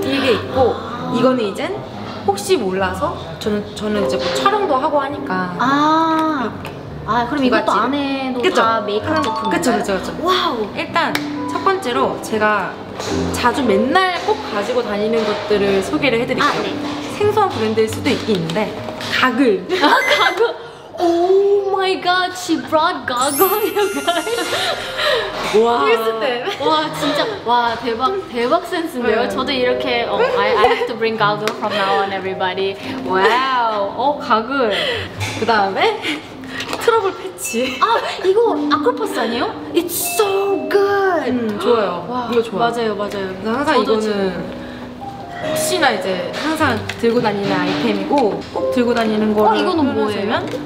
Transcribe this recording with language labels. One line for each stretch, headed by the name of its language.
Korean: 이게 있고, 이거는 이젠 혹시 몰라서 저는 이제 뭐 촬영도 하고 하니까. 아, 이렇게. 아, 그럼 이것도 안에도 다 메이크업 제품인가요? 그렇죠. 와우. 일단 첫 번째로 제가 자주 맨날 꼭 가지고 다니는 것들을 소개를 해드릴게요. 아, 네. 생소한 브랜드일 수도 있긴 있는데, 가글. 아, 가글.
English: Oh my god, she brought goggles, you guys.
Korean: 와. 와, 진짜. 와, 대박 센스인데요. 네. 저도 이렇게,
English: I have to bring goggles from now on, everybody.
Korean: 와우. 가글. 그 다음에, 트러블 패치. 아, 이거 아크로파스 아니에요?
English: It's so good.
Korean: 좋아요. 와, 이거 좋아요. 맞아요. 항상 이거는 지금 혹시나 이제 항상 들고 다니는 아이템이고, 꼭 들고 다니는 거를. 아, 이거는 뭐예요?